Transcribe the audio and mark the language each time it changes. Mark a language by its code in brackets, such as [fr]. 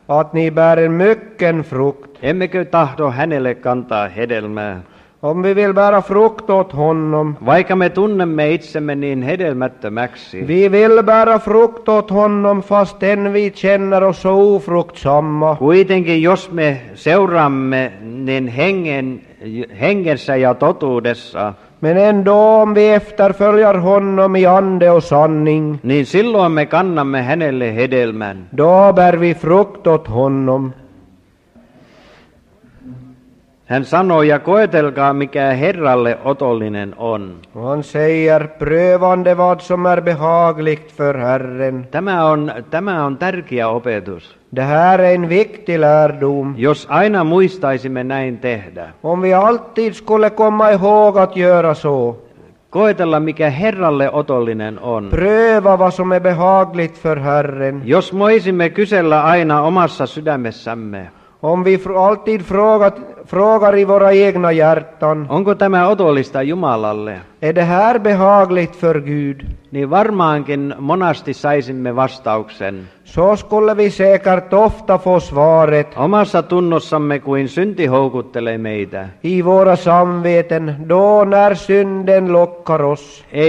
[sv] Att ni bär en mycken frukt. [fi] Emmekö tahdo hänelle kantaa hedelmää. [sv] Om vi vill bära frukt åt honom. [fi] Vaikka me tunnemme itsemme niin hedelmättömäksi. [sv] Vi vill bära frukt åt honom fastän vi känner oss så ofruktsamma. [fi] Kuitenkin jos me seuraamme niin hengessä ja totuudessa. [sv] Men ändå om vi efterföljer honom i ande och sanning. [fi] Niin silloin me kannamme hänelle hedelmän. [sv] Då bär vi frukt åt honom. [fi] Hän sanoo, ja koetelkaa, mikä Herralle otollinen on. [sv] Han säger, prövande vad som är behagligt för Herren. [fi] Tämä on tärkeä opetus. [sv] Det här är en viktig lärdom. [fi] Jos aina muistaisimme näin tehdä. [sv] Om vi alltid skulle komma ihåg att göra så. [fi] Koetella, mikä Herralle otollinen on. [sv] Pröva vad som är behagligt för Herren. [fi] Jos voisimme kysellä aina omassa sydämessämme. [sv] Om vi alltid frågar i våra egna hjärtan. [fi] Onko tämä otollista Jumalalle? [sv] Är det här behagligt för Gud? [fi] Niin varmaankin monasti saisimme vastauksen. [sv] Så skulle vi säkert ofta få svaret. [fi] Omassa tunnossamme kuin synti houkuttelee meitä. [sv] I våra samveten, då när synden lockar oss.